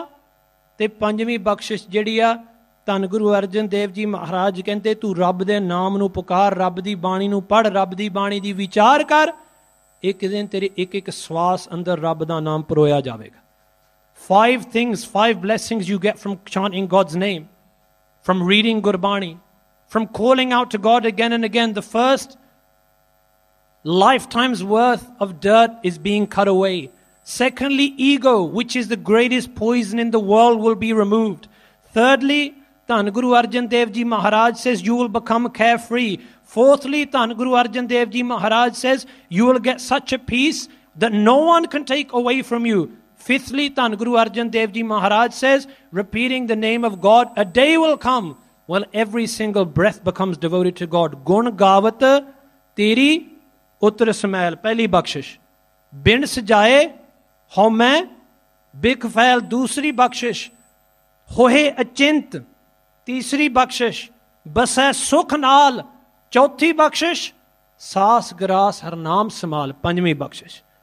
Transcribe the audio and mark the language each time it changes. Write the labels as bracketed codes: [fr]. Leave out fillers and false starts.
[pa] ਅਤੇ ਪੰਜਵੀਂ ਬਖਸ਼ਿਸ਼ ਜਿਹੜੀ ਆ, ਧੰਨ ਗੁਰੂ ਅਰਜਨ ਦੇਵ ਜੀ ਮਹਾਰਾਜ ਕਹਿੰਦੇ, ਤੂੰ ਰੱਬ ਦੇ ਨਾਮ ਨੂੰ ਪੁਕਾਰ, ਰੱਬ ਦੀ ਬਾਣੀ ਨੂੰ ਪੜ੍ਹ, ਰੱਬ ਦੀ ਬਾਣੀ ਦੀ ਵਿਚਾਰ ਕਰ, ਇੱਕ ਦਿਨ ਤੇਰੇ ਇੱਕ ਇੱਕ ਸਵਾਸ ਅੰਦਰ ਰੱਬ ਦਾ ਨਾਮ ਪਰੋਇਆ ਜਾਵੇਗਾ। [en] Five things, five blessings you get from chanting God's name, from reading Gurbani, from calling out God again and again. The first lifetime's worth of dirt is being cut away. Secondly, ego, which is the greatest poison in the world, will be removed. Thirdly, Dhan Guru Arjan Dev Ji Maharaj says, you will become carefree. Fourthly, Dhan Guru Arjan Dev Ji Maharaj says, you will get such a peace that no one can take away from you. Fifthly, Dhan Guru Arjan Dev Ji Maharaj says, repeating the name of God, a day will come when every single breath becomes devoted to God. [pa] Gun gaavat teri Uttar smell, ਪਹਿਲੀ ਬਖਸ਼ਿਸ਼, ਬਿਨਸ ਜਾਏ ਹੋਮੈ ਬਿਕ ਫੈਲ, ਦੂਸਰੀ ਬਖਸ਼ਿਸ਼ ਹੋਏ ਅਚਿੰਤ, ਤੀਸਰੀ ਬਖਸ਼ਿਸ਼ ਬਸੈ ਸੁਖ ਨਾਲ, ਚੌਥੀ ਬਖਸ਼ਿਸ਼ ਸਾਸ ਗਰਾਸ ਹਰਨਾਮ ਸਮਾਲ, ਪੰਜਵੀਂ ਬਖਸ਼ਿਸ਼।